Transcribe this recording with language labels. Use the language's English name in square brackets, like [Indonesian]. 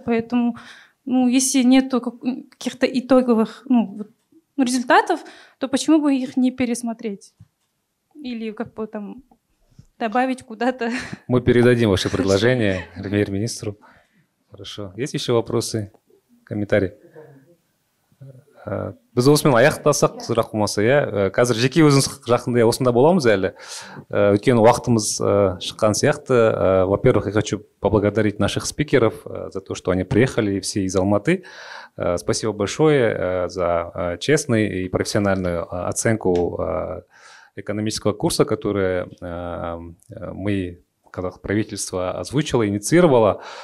[Russian] Поэтому, ну, если нету каких-то итоговых результатов, то почему бы их не пересмотреть? Или как бы там... добавить куда-то. Мы передадим ваше предложение премьер-министру. Хорошо. Есть еще вопросы, комментарии? [Kazakh] Біз осымен аяқтасақ, сұрақ болмаса, иә. Қазір жеке өзіңіз жақында осында боламыз әлі. Өткен уақытымыз шыққан сияқты. [Russian] Во-первых, я хочу поблагодарить наших спикеров за то, что они приехали все из Алматы. Спасибо большое за честную и профессиональную оценку экономического курса, который мы, когда правительство озвучило, инициировало.